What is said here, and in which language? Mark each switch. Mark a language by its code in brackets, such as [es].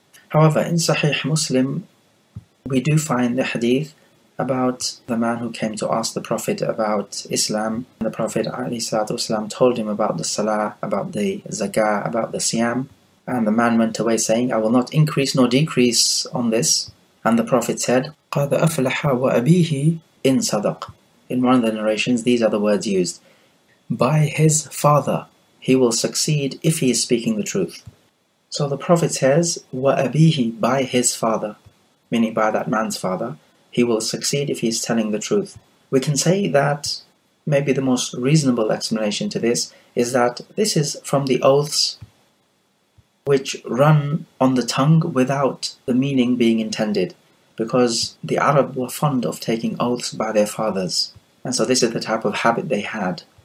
[en] However, in Sahih Muslim, we do find the hadith about the man who came to ask the Prophet about Islam. The Prophet والسلام, told him about the Salah, about the Zakah, about the Siyam. And the man went away saying, I will not increase nor decrease on this. And the Prophet said, [ar] قَدْ أَفْلَحَ وَأَبِيهِ إِنْ صَدَقْ. [en] In one of the narrations, these are the words used. By his father, he will succeed if he is speaking the truth. So the Prophet says, وَأَبِيهِ, by his father, meaning by that man's father, he will succeed if he is telling the truth. We can say that maybe the most reasonable explanation to this is that this is from the oaths which run on the tongue without the meaning being intended, because the Arab were fond of taking oaths by their fathers, and so this is the type of habit they had.